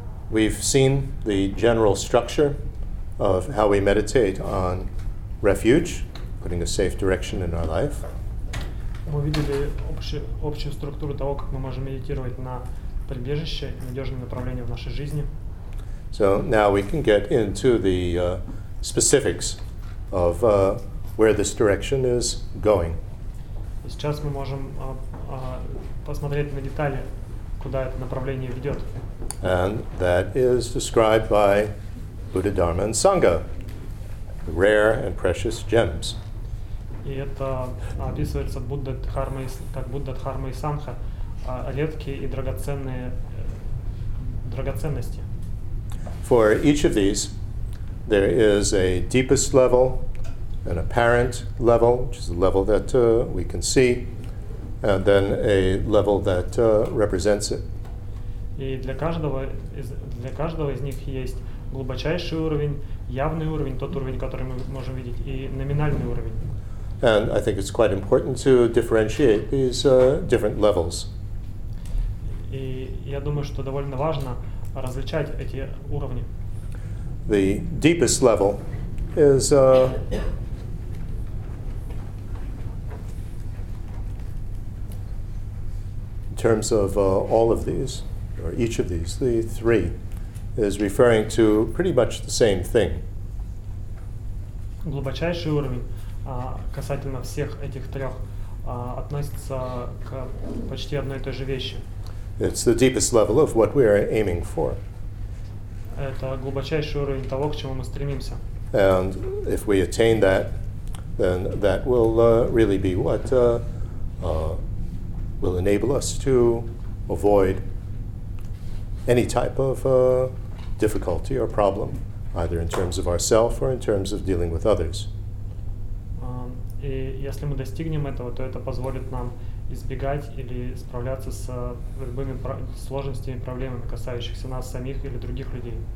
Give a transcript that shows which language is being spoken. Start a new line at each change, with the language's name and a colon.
English: We've seen the general structure of how we meditate on refuge, putting a safe direction in our life.
Russian: Мы видели общую структуру того, как мы можем медитировать на прибежище, надёжное направление в нашей жизни.
English: So now we can get into the specifics of where this direction is going.
Russian: Сейчас мы можем посмотреть на детали, куда это направление ведёт.
English: And that is described by Buddha, Dharma, and Sangha, rare and precious gems.
Russian: И это описывается Будда, Дхарма и как Будда, Дхарма и Сангха, редкие и драгоценные драгоценности.
English: For each of these, there is a deepest level, an apparent level, which is the level that we can see, and then a level that represents it.
Russian: И для каждого из них есть глубочайший уровень, явный уровень, тот уровень, который мы можем видеть, и номинальный уровень.
English: And I think it's quite important to differentiate these different levels.
Russian: И я думаю, что довольно важно различать эти уровни.
English: The deepest level is in terms of all of these, or each of these, the three, is referring to pretty much the same thing.
Russian: Глубочайший уровень касательно всех этих трех относится к почти одной и той же вещи.
English: It's the deepest level of what we are aiming for.
Russian: Это глубочайший уровень того, к чему мы стремимся.
English: And if we attain that, then that will really be what will enable us to avoid any type of difficulty or problem, either in terms of ourselves or in terms of dealing with others.
Russian: И если мы достигнем этого, то это позволит нам избегать или справляться с любыми сложностями, проблемами, касающихся нас самих или других людей.